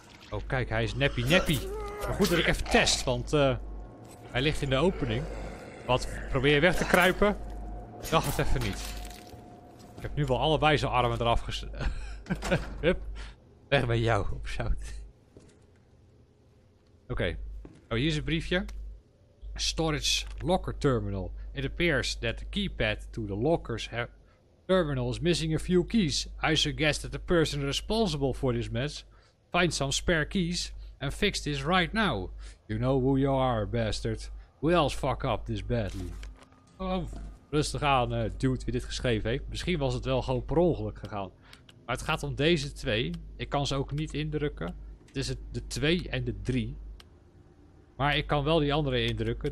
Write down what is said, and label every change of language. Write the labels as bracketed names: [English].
[Dutch] Oh kijk, hij is neppie. Maar goed dat ik even test, want hij ligt in de opening. Wat, probeer je weg te kruipen? Ik dacht het even niet. Ik heb nu wel allebei zijn armen eraf Hup, weg bij jou, op zout. Oké, okay. Oh hier is een briefje. [English] Storage locker terminal. It appears that the keypad to the locker's terminal is missing a few keys. I suggest that the person responsible for this mess find some spare keys and fix this right now. You know who you are, bastard. Who else fuck up this badly? [Dutch] Oh, rustig aan, dude, wie dit geschreven heeft. Misschien was het wel gewoon per ongeluk gegaan. Maar het gaat om deze twee. Ik kan ze ook niet indrukken. Het is de 2 en de 3. Maar ik kan wel die andere indrukken.